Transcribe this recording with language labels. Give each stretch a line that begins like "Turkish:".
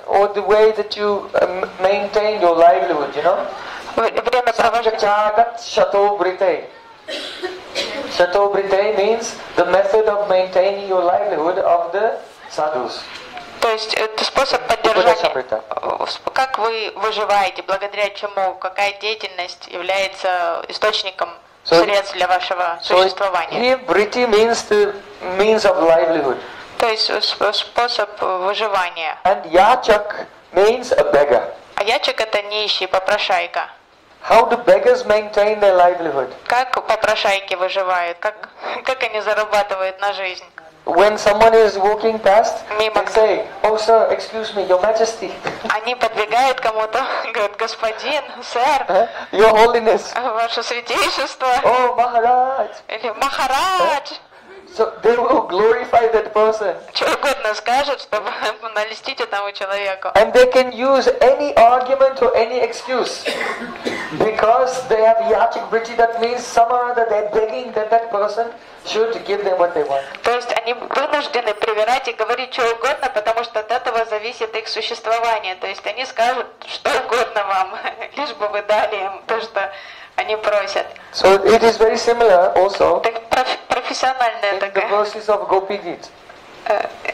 English: Or the way that you maintain your livelihood, you know?
Russian: Время провождения.
English: Chato Brite means the method of maintaining your livelihood of the sadhus.
Russian: То есть это способ поддержания. Как вы выживаете, благодаря чему, какая деятельность является источником средств для вашего существования?
English: So Brite means the means of livelihood.
Russian: То есть способ выживания.
English: And Yachak means a beggar.
Russian: А Yachak это нищий, попрошайка.
English: How do beggars maintain their livelihood?
Russian: Как попрошайки выживают? Как они зарабатывают на жизнь?
English: When someone is walking past, they say, "Oh, sir, excuse me, Your Majesty."
Russian: Они подбегают кому-то, говорят, господин, сэр.
English: Your Holiness.
Russian: Ваше святейшество.
English: Oh, Maharaj.
Russian: Или Махарадж.
English: So they will glorify that person.
Russian: Что угодно скажут, чтобы налестить этому человеку.
English: And they can use any argument or any excuse. Because they have Yachak Vritti, that means somehow that they're begging that person should give them what they want.
Russian: То есть они вынуждены привирать и говорить что угодно, потому что от этого зависит их существование. То есть они скажут что угодно вам, лишь бы вы дали им то, что они просят.
English: So it is very similar also.
Russian: Так профессиональная такая.
English: In the verses of Gopi Git.